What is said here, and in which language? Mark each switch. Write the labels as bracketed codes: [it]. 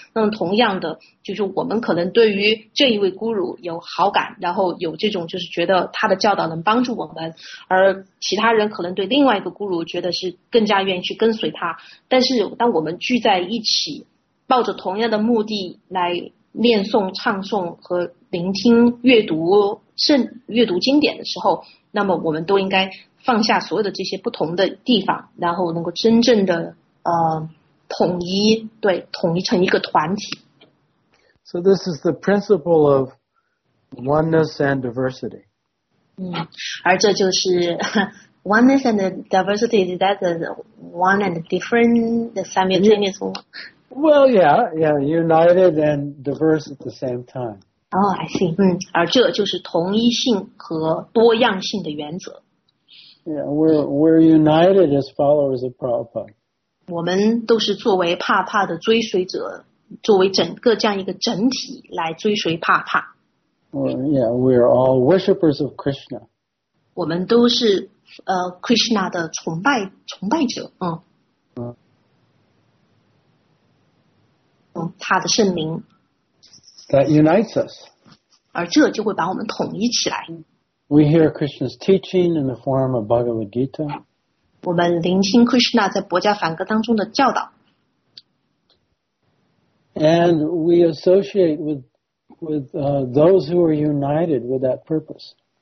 [zh] 那么同样的，就是我们可能对于这一位 guru 有好感，然后有这种就是觉得他的教导能帮助我们，而其他人可能对另外一个 guru 觉得是更加愿意去跟随他。但是当我们聚在一起抱着同样的目的来念诵、唱诵和聆听、阅读经典的时候，那么我们都应该放下所有的这些不同的地方，然后能够真正的统一，对，统一成一个团体。 [en] So this is the principle of oneness and diversity. [zh] 而这就是 [en] oneness and diversity, is that the one and different, the simultaneous one? Well, yeah, united and diverse at the same time. Oh, I see. [zh] 而这就是同一性和多样性的原则。 [en] Yeah, we're united as followers of Prabhupada. [zh] 我们都是作为帕帕的追随者，作为整个这样一个整体来追随帕帕。 [en] We're all worshippers of Krishna. [zh] 我们都是Krishna 的崇拜者。他的圣灵。 [en] That unites us. [zh] 而这就会把我们统一起来。 [en] We hear Krishna's teaching in the form of Bhagavad Gita. [zh] 我们聆听 Krishna 在博迦梵歌当中的教导。 [en] And we associate with those who are united with that purpose.